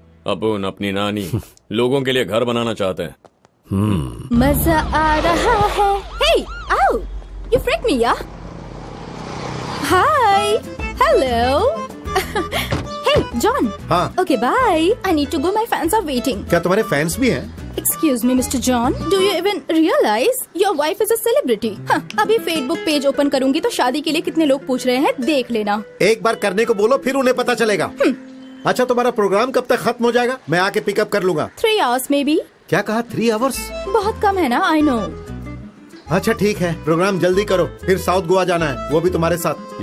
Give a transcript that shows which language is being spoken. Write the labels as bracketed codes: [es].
[hi] अपुन अपनी नानी लोगों के लिए घर बनाना चाहते हैं. मजा आ रहा है. हे, आओ, [en] You freak me yeah. Hi, hello. Hey John. [hi] हाँ. [en] Okay bye. I need to go, my fans are waiting. [hi] क्या तुम्हारे फैंस भी हैं? [en] Excuse me, Mr. John. Do you even realize your wife is a celebrity? [hi] अभी Facebook page open करूंगी तो शादी के लिए कितने लोग पूछ रहे हैं देख लेना. एक बार करने को बोलो, फिर उन्हें पता चलेगा. अच्छा, तुम्हारा प्रोग्राम कब तक खत्म हो जाएगा? मैं आके पिकअप कर लूंगा. [en] 3 hours maybe. [hi] क्या कहा? 3 hours? बहुत कम है ना. [en] I know. [hi] अच्छा ठीक है, प्रोग्राम जल्दी करो, फिर साउथ गोवा जाना है, वो भी तुम्हारे साथ.